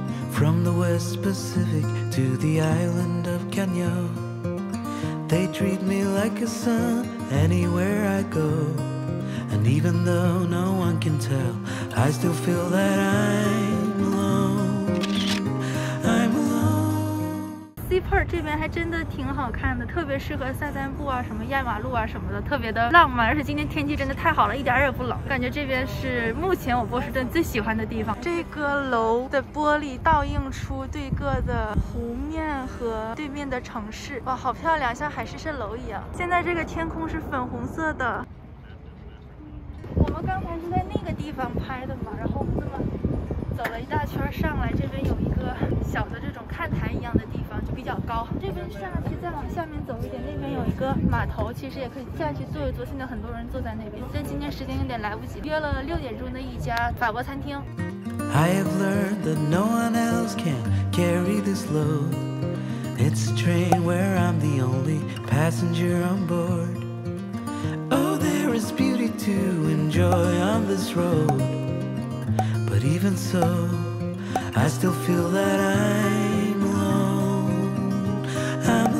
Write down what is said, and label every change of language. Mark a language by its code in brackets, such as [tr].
[en] From the West Pacific to the island of Kenya, they treat me like a son anywhere I go. And even though no one can tell, I still feel that I'm alone. I'm alone. [zh] Seaport 这边还真的挺好看的，特别适合散散步啊，什么压马路啊什么的，特别的浪漫。而且今天天气真的太好了，一点也不冷，感觉这边是目前我波士顿最喜欢的地方。这个楼的玻璃倒映出对各的湖面和对面的城市，哇，好漂亮，像海市蜃楼一样。现在这个天空是粉红色的。我们刚才是在那个地方拍的嘛，然后我们这么走了一大圈上来，这边有一个小的这种看台一样的地方，就比较高。这边上去再往下面走一点，那边有一个码头，其实也可以下去坐一坐。现在很多人坐在那边，但今天时间有点来不及，约了6点钟的一家法国餐厅。 [en] I have learned that no one else can carry this load. It's a train where I'm the only passenger on board. Oh, there is beauty to enjoy on this road. But even so, I still feel that I'm alone.